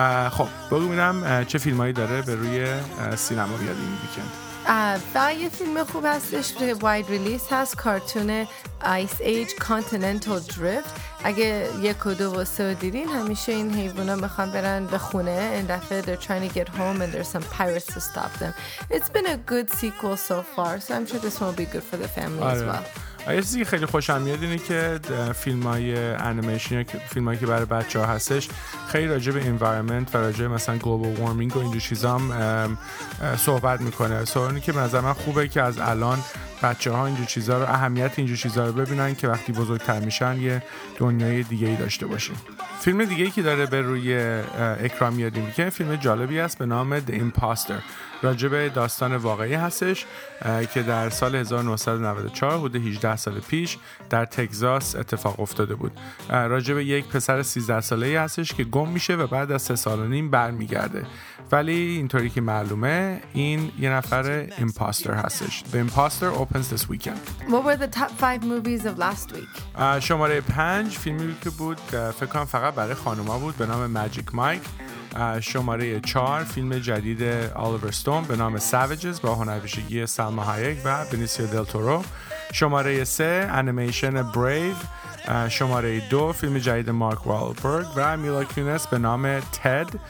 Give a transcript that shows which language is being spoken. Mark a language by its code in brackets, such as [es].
[fa] خب ببینم چه فیلمایی داره به روی سینما بیاد این ویکند. یه فیلم خوب هستش، واید ریلیس هست، کارتون آیس ایج کانتیننتال دریفت. اگه یک و دو و سه دیدین، همیشه این حیوان ها میخوان برن به خونه. این دفعه [en] they're trying to get home and there's some pirates to stop them. It's been a good sequel so far, so I'm sure this one will be good for the family as well. [fa] یه چیزی خیلی خوشم میاد اینه که فیلم‌های انیمیشن یا فیلم‌هایی که برای بچه‌ها هستش خیلی راجع به انوایرمنت و راجع به مثلا گلوبال وارمینگ و اینجور چیزا هم صحبت می‌کنه. سوالی که به نظر من خوبه که از الان بچه‌ها اینجور چیزا رو، اهمیت اینجور چیزا رو ببینن که وقتی بزرگتر میشن یه دنیای دیگه‌ای داشته باشن. فیلم دیگه‌ای که داره به روی اکران میاد اینه که فیلم جالبی است به نام The Imposter. راجع به داستان واقعی هستش که در سال 1994 حدود 18 سال پیش در تگزاس اتفاق افتاده بود. راجع به یک پسر 13 ساله‌ای هستش که گم میشه و بعد از 3 سال و نیم برمیگرده. ولی اینطوری که معلومه این یه نفر ایمپاستر هستش. [en] The Imposter opens this weekend. What were the top 5 movies of last week? [fa] شماره 5 فیلمی که بود فکر کنم فقط برای خانوما بود به نام Magic Mike. شماره 4 فیلم جدید Oliver Stone به نام Savages با هنرپیشگی سلما هایک و بنیسیو دل تورو. شماره 3 انیمیشن Brave. شماره 2 فیلم جدید مارک والبرگ و میلا کونیس به نام تد.